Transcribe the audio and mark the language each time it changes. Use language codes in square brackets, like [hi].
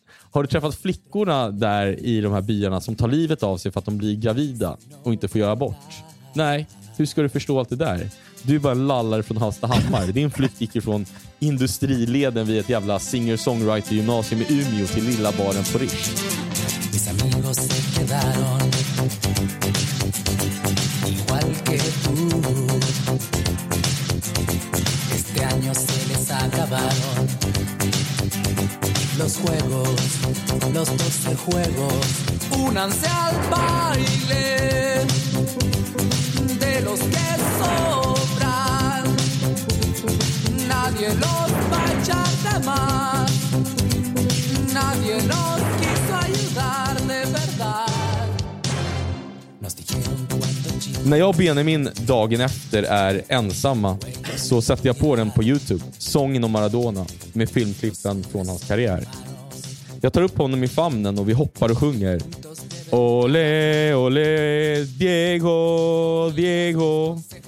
[sv] Har du träffat flickorna där i de här byarna som tar livet av sig för att de blir gravida och inte får göra abort? Nej, hur ska du förstå allt det där? Du är bara en lallare från Hallstahammar. Din flytt gick från industrileden via ett jävla singer-songwriter-gymnasium i Umeå till lilla baren på Rish. [es] Mis amigos se quedaron igual que tú. Este año se les acabaron los juegos, los 12 juegos. Únanse al baile de los que sobran. Nadie los va a echar de más. Nadie los quiso ayudar de verdad. Nos dijeron. [sv] När jag och Benjamin dagen efter är ensamma, så sätter jag på den på YouTube, sången om Maradona, med filmklippen från hans karriär. Jag tar upp honom i famnen och vi hoppar och sjunger. Ole, ole, Diego, Diego.